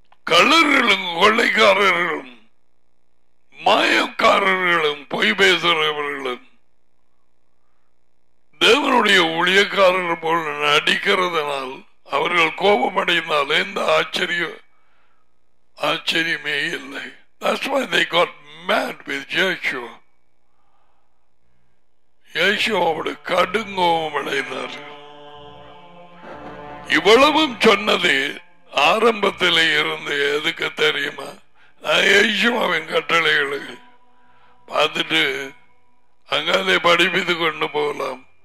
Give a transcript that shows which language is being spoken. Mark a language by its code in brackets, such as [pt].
[ta] கள்ளர்களும் கொள்ளைக்காரர்களும் மாயக்காரர்களும் பொய் பேசுறவர்களும் தேவனுடைய ஊழியக்காரர்கள் போல நடிக்கிறதனால் அவர்கள் கோபமடைந்தால் எந்த ஆச்சரியமே இல்லை. [en] That's why they got mad with Yeshua. [ta] Yeshua அவரு கடுங்கோபம் அடைந்தார். இவ்வளவும் சொன்னது ஆரம்பத்தில் இருந்து எதுக்கு தெரியுமா? யேசுவாவின் கட்டளைகளை பார்த்துட்டு அங்காதே படிப்பித்து கொண்டு போகலாம்.